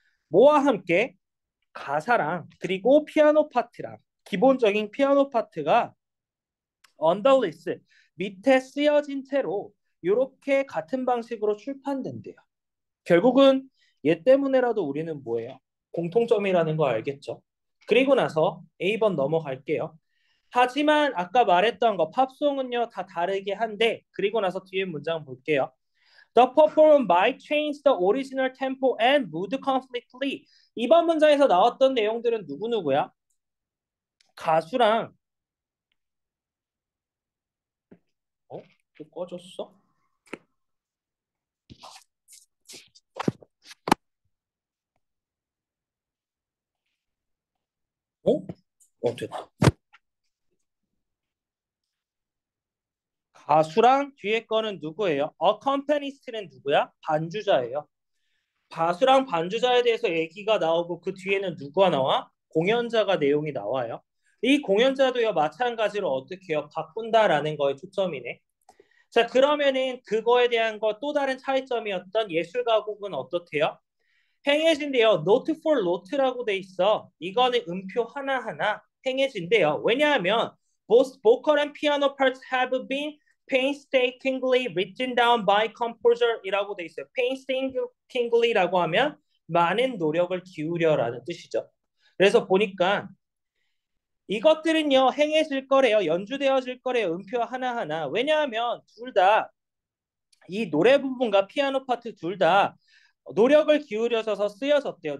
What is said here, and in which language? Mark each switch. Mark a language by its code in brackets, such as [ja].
[ko] 뭐와 함께 가사랑 그리고 피아노 파트랑 기본적인 피아노 파트가 underless 밑에 쓰여진 채로 이렇게 같은 방식으로 출판된대요. 결국은 얘 때문에라도 우리는 뭐예요? 공통점이라는 거 알겠죠? 그리고 나서 A번 넘어갈게요. 하지만 아까 말했던 거 팝송은요 다 다르게 한데 그리고 나서 뒤에 문장 볼게요. [en] The performer might change the original tempo and mood completely. [ko] 이번 문장에서 나왔던 내용들은 누구누구야? 가수랑 또 꺼졌어? 어? 됐다. 가수랑 뒤에 거는 누구예요? Accompanist는 누구야? 반주자예요. 가수랑 반주자에 대해서 얘기가 나오고 그 뒤에는 누가 나와? 공연자가 내용이 나와요. 이 공연자도요, 마찬가지로 어떻게 해요? 바꾼다라는 거에 초점이네. 자, 그러면은 그거에 대한 거또 다른 차이점이었던 예술 가곡은 어떻대요? 행해진대요. [en] Note for note [ko] 라고 돼 있어. 이거는 음표 하나하나 행해진대요. 왜냐하면 [en] both vocal and piano parts have been painstakingly written down by composer이라고 [ko] 돼 있어요. painstakingly라고 하면 많은 노력을 기울여라는 뜻이죠. 그래서 보니까 이것들은요 행해질 거래요. 연주되어질 거래요. 음표 하나하나. 왜냐하면 둘다이 노래 부분과 피아노 파트 둘다 노력을 기울여서 쓰여졌대요.